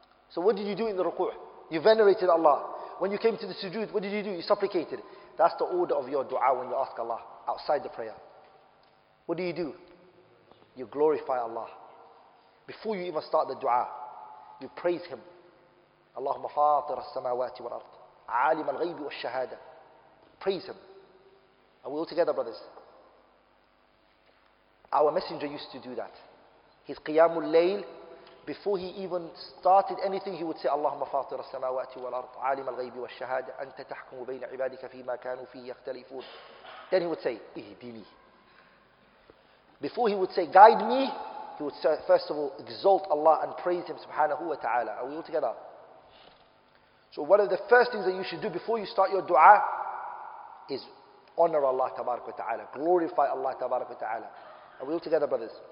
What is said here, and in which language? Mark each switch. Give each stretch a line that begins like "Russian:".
English: So what did you do in the ركوع? You venerated Allah. When you came to the sujood, what did you do? You supplicated. That's the order of your dua when you ask Allah outside the prayer. What do you do? You glorify Allah. Before you even start the dua, you praise Him.
Arabic: اللهم فاطر السماوات والأرض عالم الغيب والشهادة.
English: Praise Him. Are we all together, brothers? Our messenger used to do that. His
Arabic: قيام الليل,
English: before he even started anything, he would say,
Arabic: اللهم فاطر السماوات والأرض عالم الغيب والشهادة أنت تحكم بين عبادك فيما كانوا فيه يختلفون.
English: Then he would say, اهدني. Before he would say, guide me, he would say, first of all, exalt Allah and praise Him subhanahu wa ta'ala. Are we all together? So one of the first things that you should do before you start your dua is honor Allah tabarak wa ta'ala. Glorify Allah tabarak wa ta'ala. Are we all together, brothers?